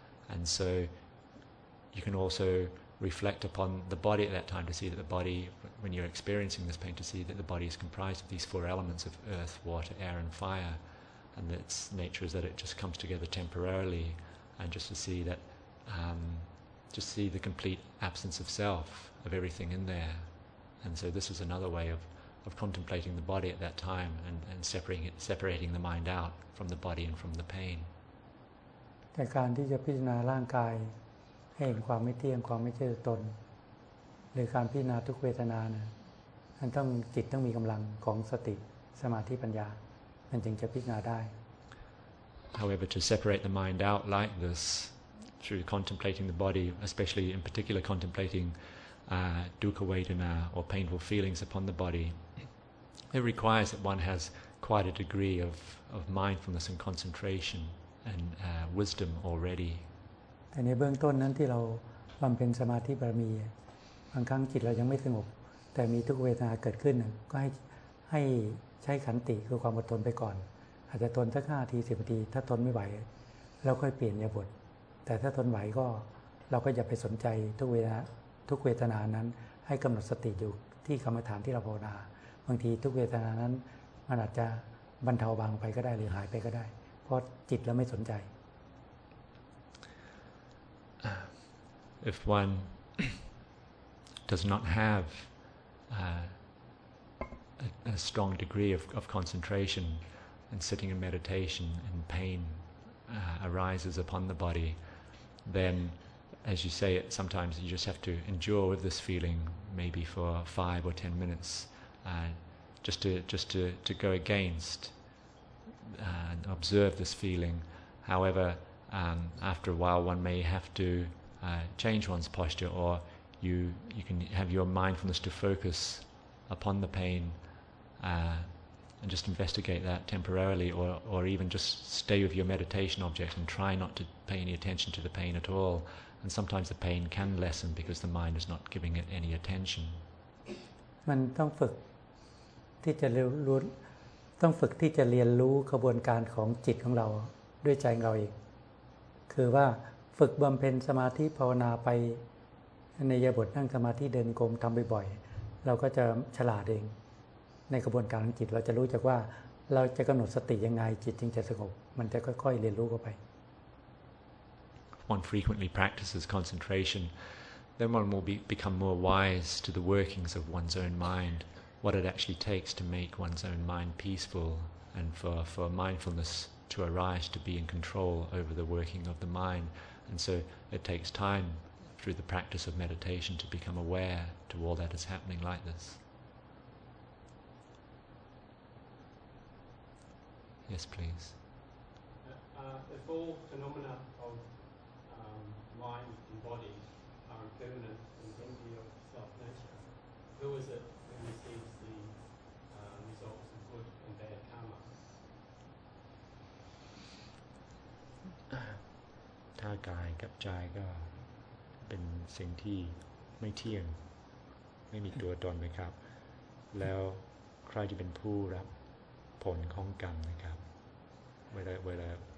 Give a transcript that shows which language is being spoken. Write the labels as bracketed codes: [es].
[en] And so you can also reflect upon the body at that time to see that the body, when you're experiencing this pain, to see that the body is comprised of these four elements of earth, water, air and fire, and its nature is that it just comes together temporarily, and just to see that, just see the complete absence of self, of everything in there. And so this is another way of contemplating the body at that time and separating the mind out from the body and from the pain. [th] แต่การที่จะพิจารณาร่างกายให้เห็นความไม่เที่ยงความไม่ใช่ตนหรือการพิจารณาทุกเวทนาเนี่ยมันต้องจิตต้องมีกำลังของสติสมาธิปัญญามันจึงจะพิจารณาได้ [en] However to separate the mind out like this through contemplating the body especially in particular contemplating dukkha vedana or painful feelings upon the body it requires that one has quite a degree of mindfulness and concentration and wisdom already [th] แต่ในเบื้องต้นนั้นที่เราบำเพ็ญสมาธิบารมีบางครั้งจิตเรายังไม่สงบแต่มีทุกเวทนาเกิดขึ้นก็ให้ใช้ขันติคือความอดทนไปก่อนอาจจะทนสัก5นาที10นาทีถ้าทนไม่ไหวเราค่อยเปลี่ยนยาบทแต่ถ้าทนไหวก็เราก็อย่าไปสนใจทุกเวทนานั้นให้กำหนดสติอยู่ที่กรรมฐานที่เราภาวนาบางทีทุกเวทนานั้นมันอาจจะบรรเทาบางไปก็ได้หรือหายไปก็ได้เพราะจิตเราไม่สนใจ [en] If one does not have a strong degree of concentration and sitting in meditation and pain arises upon the body, then as you say it, sometimes you just have to endure with this feeling maybe for 5 or 10 minutes just to go against and observe this feeling. However, after a while one may have to change one's posture, or you can have your mindfulness to focus upon the pain and just investigate that temporarily, or even just stay with your meditation object and try not to pay any attention to the pain at all. And sometimes the pain can lessen because the mind is not giving it any attention. [th] มันต้องฝึกที่จะเรียนรู้ต้องฝึกที่จะเรียนรู้กระบวนการของจิตของเราด้วยใจเราเองคือว่าฝึกบำเพ็ญสมาธิภาวนาไปในยบทนั่งสมาธิเดินกรมทำบ่อยๆเราก็จะฉลาดเองในกระบวนการของจิตเราจะรู้จักว่าเราจะกำหนดสติยังไงจิตจึงจะสงบมันจะค่อยๆเรียนรู้เข้าไป [en] One frequently practices concentration, then one will become more wise to the workings of one's own mind, what it actually takes to make one's own mind peaceful, and for mindfulness to arise, to be in control over the working of the mind, and so it takes time. Through the practice of meditation to become aware to all that is happening like this. Yes, please. If all phenomena of mind and body are impermanent and empty of self nature, who is it who receives the results of good and bad karma? [th] ถ้ากายกับใจก็เป็นสิ่งที่ไม่เที่ยงไม่มีตัวตนไหมครับแล้วใครจะเป็นผู้รับผลของกรรมนะครับเวลา